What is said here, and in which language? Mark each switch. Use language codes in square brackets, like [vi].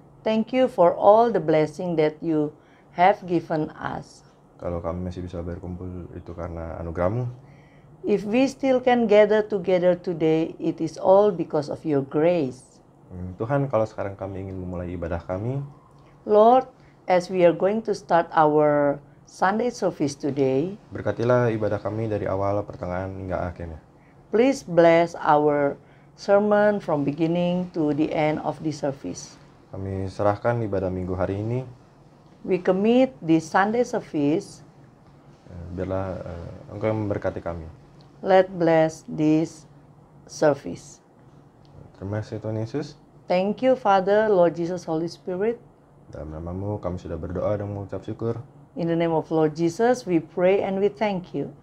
[en] Thank you for all the blessing that you have given us. [id] Kalau kami masih bisa berkumpul itu karena anugerah-Mu. [en] If we still can gather together today, it is all because of your grace. [id] Tuhan, kalau sekarang kami ingin memulai ibadah kami, [en] Lord, as we are going to start our Sunday service today, [id] berkatilah ibadah kami dari awal, pertengahan hingga akhirnya. [en] Please bless our sermon from beginning to the end of the service. [id] Kami serahkan ibadah minggu hari ini. [en] We commit the Sunday service. [id] Biarlah Engkau yang memberkati kami. [en] Let bless this service. [id] Terima kasih Tuhan Yesus. [en] Thank you Father, Lord Jesus, Holy Spirit. [id] Dalam nama-Mu kami sudah berdoa dan mengucap syukur. [en] In the name of Lord Jesus, we pray and we thank you.